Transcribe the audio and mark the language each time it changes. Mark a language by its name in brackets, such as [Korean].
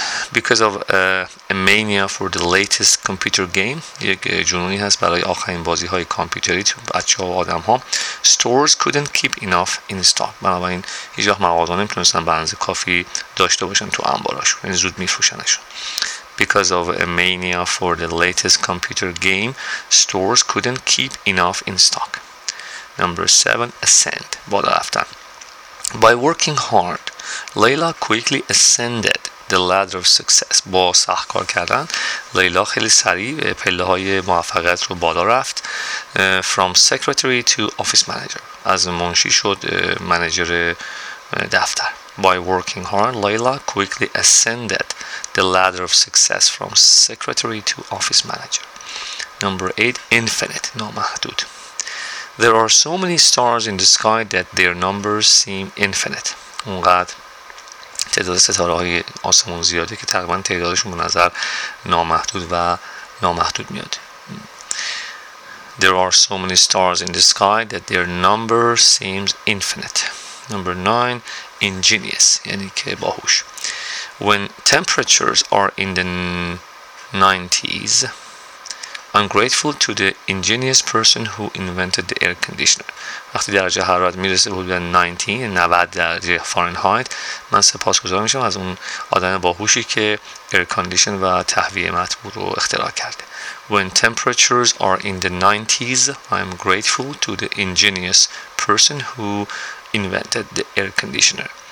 [English] Because of a mania for the latest computer game, [Persian] یک جنونی هست برای آخرین بازی‌های کامپیوتری تو بچه‌ها و آدم‌ها. [English] Stores couldn't keep enough in stock. [Persian] بنابراین هیچ‌وقت مغازه‌ها نمی‌تونستن به اندازه کافی داشته باشن تو انبارشون. یعنی زود می‌فروشنشون. [English] Because of a mania for the latest computer game, stores couldn't keep enough in stock. Number 7, ascend. [Persian] بالا رفتن. [English] By working hard, Layla quickly ascended the ladder of success. [Persian] با سخت کار کردن لیلا خیلی سریع پله های موفقیت رو بالا رفت. [English] From secretary to office manager. [Persian] از منشی شد منیجر دفتر. [English] By working hard, Layla quickly ascended the ladder of success from secretary to office manager. Number 8, infinite, نامحدود. There are so many stars in the sky that their numbers seem infinite. [Persian] اونقدر تعداد ستاره های آسمون زیاده که تقریبا تعدادشون به نظر نامحدود و نامحدود میاد. [English] There are so many stars in the sky that their number seems infinite. Number 9, ingenious, [Persian] یعنی که باهوش. [English] When temperatures are in the 90s, I'm grateful to the ingenious person who invented the air conditioner. [Persian] وقتی درجه حرارت میرسه حدود 90 درجه فارنهایت من سپاسگزار میشم از اون آدم باهوشی که ایر کاندیشن و تهویه مطبوع رو اختراع کرده. [English] When temperatures are in the 90s, I'm grateful to the ingenious person who invented the air conditioner.